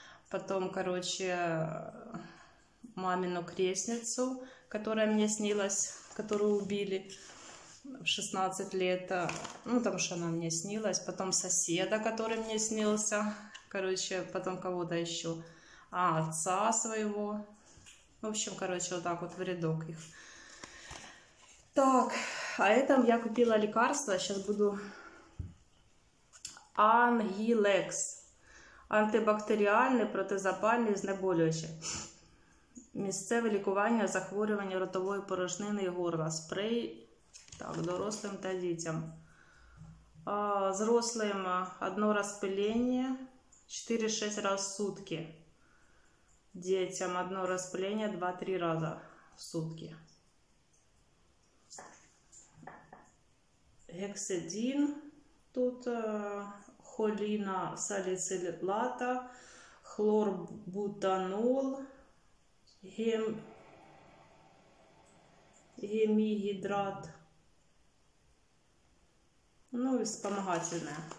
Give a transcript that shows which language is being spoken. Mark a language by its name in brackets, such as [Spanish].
[Russian] Потом, короче, мамину крестницу, которая мне снилась, которую убили в 16 лет. Ну, потому что она мне снилась. Потом соседа, который мне снился. Короче, потом кого-то еще. А, отца своего. В общем, короче, вот так вот в рядок их. Так, а это я купила лекарство, сейчас буду Ангилекс, [Ukrainian] антибактериальный, протизапальный, знеболюючий, місцеве лікування захворювання ротової порожнини і горла, спрей, так, дорослим та дітям, зрослим одно розпиління 4-6 раз в сутки, дітям одно розпиління 2-3 рази в сутки. [Russian] Гексидин, тут холина салицилата, хлорбутанол, гемигидрат, ну и вспомогательное.